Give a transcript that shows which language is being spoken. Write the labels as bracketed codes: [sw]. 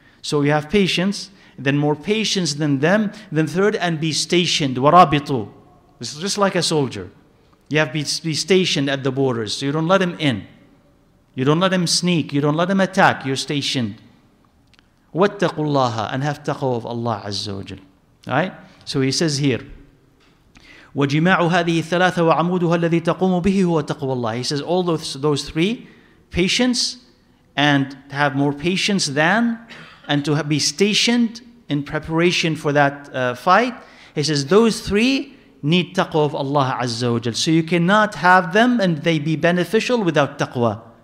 [en] So you have patience, then more patience than them, then third, and be stationed. [ar] وَرَابِطُوا. [en] This is just like a soldier. You have to be stationed at the borders. So you don't let him in. You don't let him sneak. You don't let him attack. You're stationed. [ar] وَاتَّقُوا اللَّهَ [en] and have taqwa of Allah Azza wa Jal. Right? So he says here, [ar] وَجِمَاعُ هَذِهِ الثَّلَاثَ وَعَمُودُهَا الَّذِي تَقُومُ بِهِ هُوَ تَقْوَى اللَّهِ. [en] He says all those three, patience, and to have more patience than, and to be stationed in preparation for that fight. He says those three need taqwa of Allah Azza wa Jal. So you cannot have them and they be beneficial without taqwa.